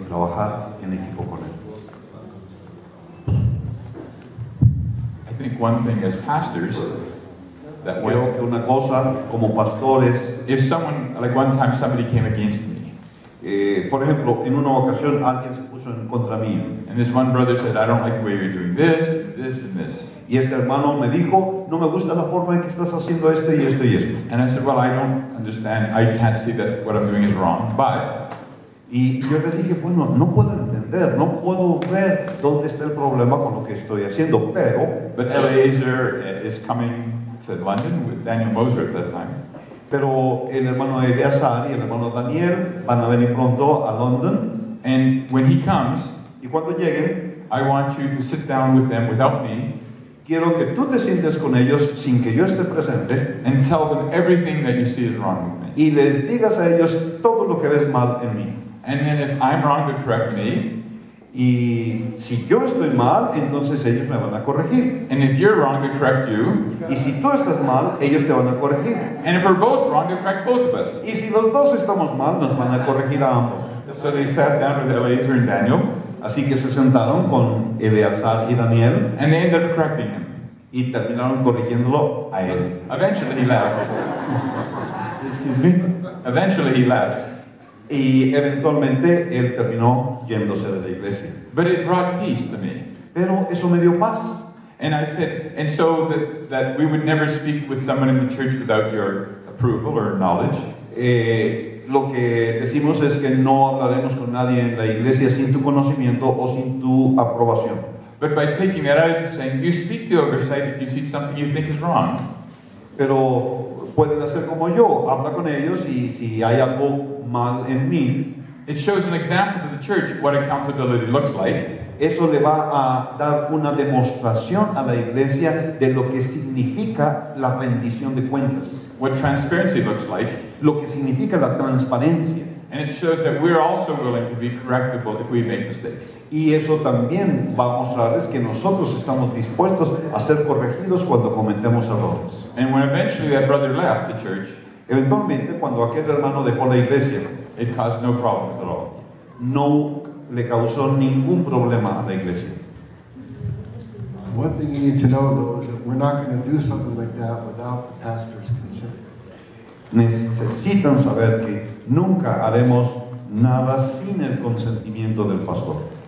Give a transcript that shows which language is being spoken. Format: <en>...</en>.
<es>Trabajar en equipo con él.</es> <en>I think one thing as pastors that</en> <es>creo que una cosa como pastores,</es> <en>if someone, like one time somebody came against me,</en> <es>por ejemplo, en una ocasión alguien se puso en contra mí,</es> <en>and this one brother said, I don't like the way you're doing this, this and this.</en> <es>Y este hermano me dijo, no me gusta la forma en que estás haciendo esto y esto y esto.</es> <en>And I said, well, I don't understand. I can't see that what I'm doing is wrong, but.</en> <es>Y yo le dije, bueno, no puedo entender, no puedo ver dónde está el problema con lo que estoy haciendo, pero...</es> <en>But Eliezer is coming to London with Daniel Moser at that time.</en> <es>Pero el hermano Eliezer y el hermano Daniel van a venir pronto a London.</es> <en>And when he comes,</en> <es>y cuando lleguen,</es> <en>I want you to sit down with them without me.</en> <es>Quiero que tú te sientes con ellos sin que yo esté presente.</es> <en>And tell them everything that you see is wrong with me.</en> <es>Y les digas a ellos todo lo que ves mal en mí.</es> <en>And then if I'm wrong, they correct me.</en> <es>Y si yo estoy mal, entonces ellos me van a corregir.</es> <en>And if you're wrong, they correct you.</en> <es>Y si tú estás mal, ellos te van a corregir.</es> <en>And if we're both wrong, they correct both of us.</en> <es>Y si los dos estamos mal, nos van a corregir a ambos.</es> <en>So they sat down with Eliezer and Daniel.</en> <es>Así que se sentaron con Eleazar y Daniel.</es> <en>And they ended up correcting him.</en> <es>Y terminaron corrigiéndolo a él.</es> <en>Eventually he left. Excuse me. Eventually he left.</en> <es>Y eventualmente él terminó yéndose de la iglesia.</es> <en>But it brought peace to me.</en> <es>Pero eso me dio paz.</es> <en>And I said, and so that we would never speak with someone in the church without your approval or knowledge.</en> <es>lo que decimos es que no hablaremos con nadie en la iglesia sin tu conocimiento o sin tu aprobación.</es> <en>But by taking that out, it's saying you speak to the other side if you see something you think is wrong.</en> <es>Pero pueden hacer como yo, habla con ellos y si hay algo mal en mí.</es> <en>It shows an example to the church what accountability looks like.</en> <es>Eso le va a dar una demostración a la iglesia de lo que significa la rendición de cuentas.</es> <en>What transparency looks like.</en> <es>Lo que significa la transparencia.</es> <en>And it shows that we're also willing to be correctable if we make mistakes.</en> <es>Y eso también va a mostrarles que nosotros estamos dispuestos a ser corregidos cuando cometemos errores.</es> <en>And when eventually that brother left the church,</en> <es>eventualmente cuando aquel hermano dejó la iglesia,</es> <en>it caused no problems at all.</en> <es>No le causó ningún problema a la iglesia.</es> <en>One thing you need to know, though, is that we're not going to do something like that without the pastor's consent.</en> <es>Necesitan saber que nunca haremos nada sin el consentimiento del pastor.</es>